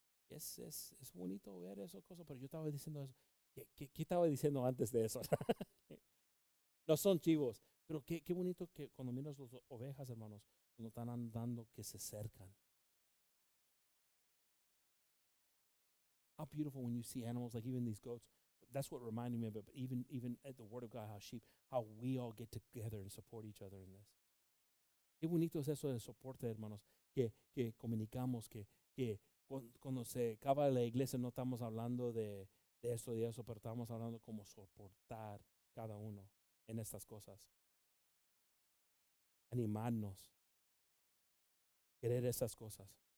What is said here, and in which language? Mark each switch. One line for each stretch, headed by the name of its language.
Spanish: Es bonito ver eso, cosa, pero yo estaba diciendo eso. ¿Qué estaba diciendo antes de eso? No son chivos, pero qué bonito que cuando miras las ovejas, hermanos, cuando están andando, que se acercan.
English: How beautiful when you see animals, like even these goats. That's what reminded me of it, even at the Word of God, how sheep, how we all get together and support each other in this.
Spanish: Qué bonito es eso de soporte, hermanos, que comunicamos, que cuando se acaba la iglesia no estamos hablando de esto, de eso, pero estamos hablando como soportar cada uno en estas cosas. Animarnos. Querer esas cosas.